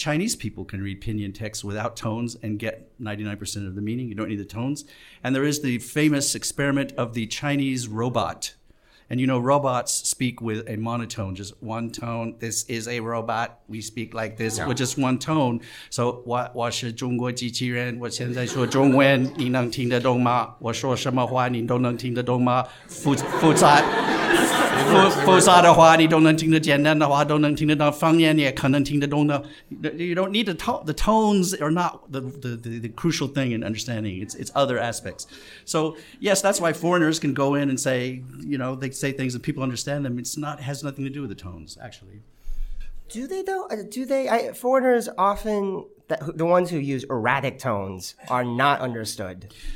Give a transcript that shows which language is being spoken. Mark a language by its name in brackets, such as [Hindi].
[English] Chinese people can read pinyin text without tones and get 99% of the meaning. You don't need the tones. And there is the famous experiment of the Chinese robot. And you know, robots speak with a monotone, just one tone. This is a robot. We speak like this with just one tone. [Chinese] So, 我是中国机器人，我现在说中文，你能听得懂吗？我说什么话你都能听得懂吗？复杂的话你都能听得简单的话都能听得懂的。 [English] You don't need the tones are not the crucial thing in understanding. It's other aspects. So yes, that's why foreigners can go in and say, you know, they say things and people understand them. It has nothing to do with the tones, actually. Do they though? Do they? Foreigners often, the ones who use erratic tones are not understood.